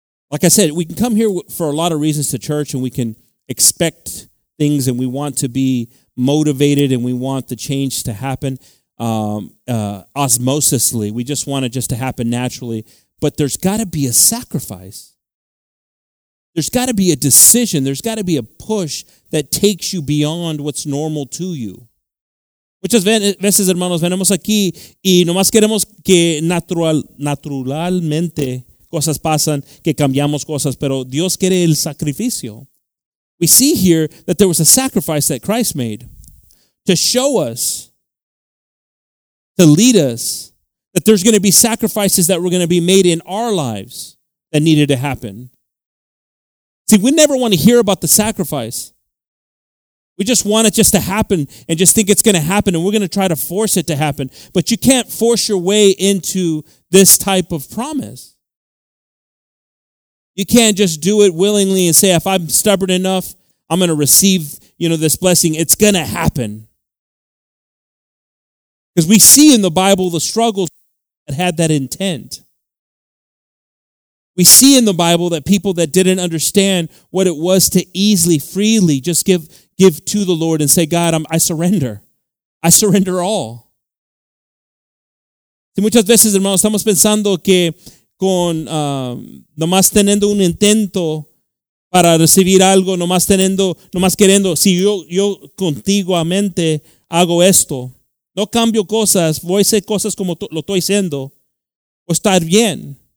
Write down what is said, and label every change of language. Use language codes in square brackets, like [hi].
[en] Like I said, we can come here for a lot of reasons to church, and we can expect things, and we want to be motivated, and we want the change to happen osmosisly. We just want it just to happen naturally, but there's got to be a sacrifice. There's got to be a decision. There's got to be a push that takes you beyond what's normal to you. [es] Muchas veces, hermanos, venimos aquí y nomás queremos que naturalmente cosas pasan, que cambiamos cosas, pero Dios quiere el sacrificio. [en] We see here that there was a sacrifice that Christ made to show us, to lead us, that there's going to be sacrifices that were going to be made in our lives that needed to happen. See, we never want to hear about the sacrifice. We just want it just to happen and just think it's going to happen, and we're going to try to force it to happen. But you can't force your way into this type of promise. You can't just do it willingly and say, if I'm stubborn enough, I'm going to receive, you know, this blessing. It's going to happen. Because we see in the Bible the struggles that had that intent. We see in the Bible that people that didn't understand what it was to easily, freely, just give to the Lord and say, God, I surrender. I surrender all. [es] Y muchas veces, hermanos, estamos pensando que con nomás teniendo un intento para recibir algo, nomás teniendo, nomás queriendo, si yo continuamente hago esto, no cambio cosas, voy a hacer cosas como lo estoy haciendo, o estar bien.